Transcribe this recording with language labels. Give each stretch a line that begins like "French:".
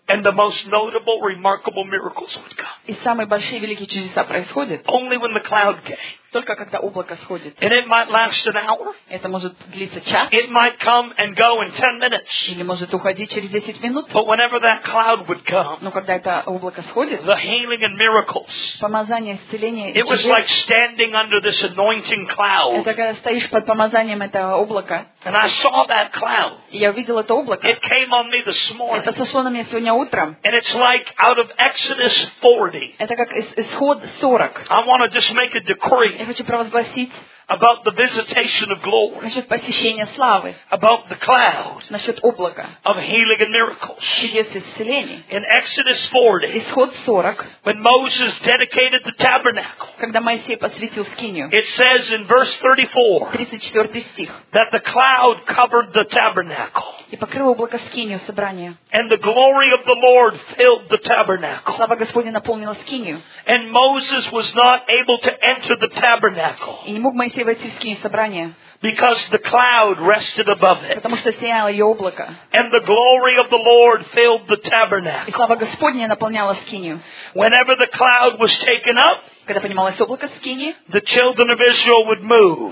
English: And the most notable, remarkable miracles would come.
Russian: И самые большие великие чудеса происходят.
English: Only when the cloud came.
Russian: Только когда облако сходит.
English: And it might last an hour.
Russian: Это может длиться час.
English: It might come and go in 10 minutes.
Russian: Или может уходить через 10 минут.
English: But whenever that cloud would come,
Russian: но когда это облако сходит,
English: the healing and miracles.
Russian: Помазание, исцеление.
English: It was like standing under this anointing cloud.
Russian: Это когда стоишь под помазанием этого облака.
English: And I saw that cloud.
Russian: Я видел это облако.
English: It came on me this morning.
Russian: Это сошло на меня сегодня утром.
English: And it's like out of Exodus 40.
Russian: Это как исход 40.
English: I want to just make a decree.
Russian: Я хочу провозгласить
English: about the visitation of glory,
Russian: насчет посещения славы,
English: about the cloud,
Russian: насчет облака,
English: of healing and miracles,
Russian: чудес исцеления.
English: In Exodus 40,
Russian: исход 40,
English: when Moses dedicated the tabernacle,
Russian: когда Моисей посвятил скинию,
English: it says in verse
Russian: 34, 34 стих,
English: that the cloud covered the tabernacle,
Russian: и покрыло облако скинию собрания,
English: and the glory of the Lord filled the tabernacle,
Russian: слава Господня наполнила скинию,
English: and Moses was not able to enter the tabernacle,
Russian: и не мог Моисей войти в скинию собрания.
English: Because the cloud rested above it.
Russian: Потому что сияло ее облако.
English: And the glory of the Lord filled the tabernacle.
Russian: И слава Господня наполняла скинию.
English: Whenever the cloud was taken up,
Russian: когда поднималось облако в скинии,
English: the children of Israel would move.